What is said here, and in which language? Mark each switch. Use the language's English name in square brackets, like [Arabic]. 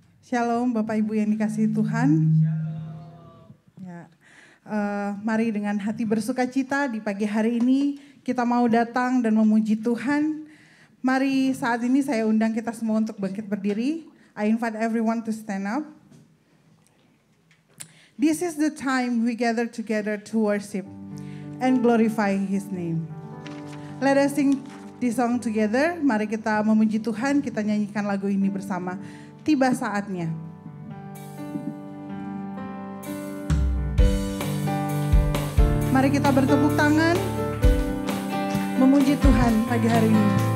[Indonesian] Shalom Bapak Ibu yang dikasihi Tuhan. Shalom. Ya. Mari dengan hati bersuka cita di pagi hari ini kita mau datang dan memuji Tuhan. Mari saat ini saya undang kita semua untuk bangkit berdiri. [English] I invite everyone to stand up. This is the time we gather together to worship and glorify His name. Let us sing this song together. [Indonesian] Mari kita memuji Tuhan, kita nyanyikan lagu ini bersama. Tiba saatnya. Mari kita bertepuk tangan memuji Tuhan pagi hari ini.